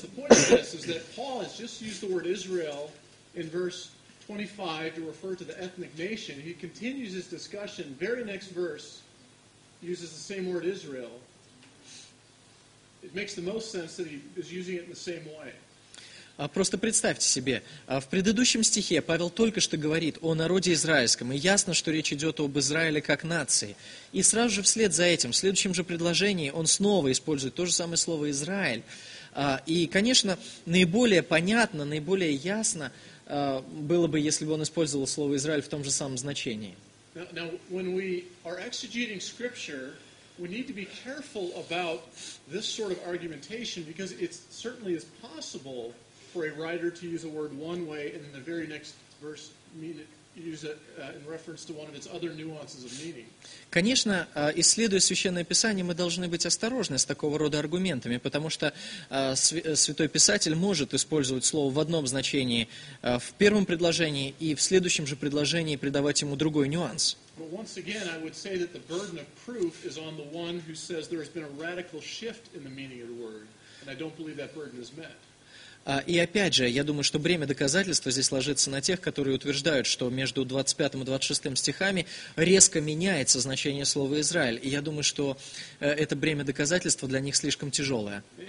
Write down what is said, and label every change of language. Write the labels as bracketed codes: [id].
[en] The point of this is that Paul has just used the word Israel in verse 25 to refer to the ethnic nation. He continues his discussion. Very next verse uses the same word Israel. It makes the most sense that he is using it in the same way. [ru] Просто представьте себе, в предыдущем стихе Павел только что говорит о народе израильском, и ясно, что речь идет об Израиле как нации. И сразу же вслед за этим, в следующем же предложении, он снова использует то же самое слово «Израиль». И, конечно, наиболее понятно, наиболее ясно было бы, если бы он использовал слово «Израиль» в том же самом значении. [en] Now, when we are exegeting scripture, we need to be careful about this sort of argumentation, because it certainly is possible for a writer to use a word one way and in the very next verse mean it, use it in reference to one of its other nuances of meaning. [ru] Конечно, исследуя Священное Писание, мы должны быть осторожны с такого рода аргументами, потому что Святой Писатель может использовать слово в одном значении в первом предложении и в следующем же предложении придавать ему другой нюанс. [en] But once again, I would say that the burden of proof is on the one who says there has been a radical shift in the meaning of the word, and I don't believe that burden is met. [ru] И опять же, я думаю, что бремя доказательства здесь ложится на тех, которые утверждают, что между 25 и 26 стихами резко меняется значение слова «Израиль». И я думаю, что это бремя доказательства для них слишком тяжелое.